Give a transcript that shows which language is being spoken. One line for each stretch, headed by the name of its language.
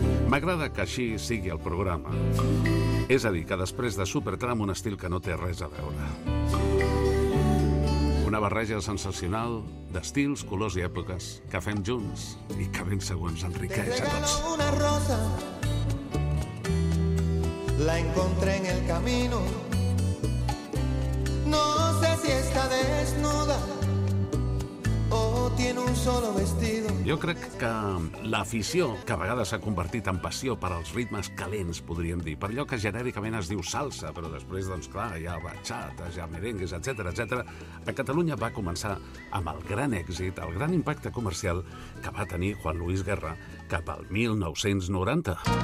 Catalan: M'agrada que així sigui el programa. És a dir, que després de Supertramp, un estil que no té res a veure. Una barreja sensacional d'estils, colors i èpoques que fem junts i que ben segur ens enriqueix a tots.
Spanish: Te regalo una rosa, la encontré en el camino. No sé si está desnuda o tiene un solo vestido.
Catalan: Jo crec que l'afició, que a vegades s'ha convertit en passió per als ritmes calents, podríem dir, per allò que genèricament es diu salsa, però després, doncs clar, hi ha bachata, hi ha merengues, etc. A Catalunya va començar amb el gran èxit, el gran impacte comercial que va tenir Juan Luis Guerra cap al 1990.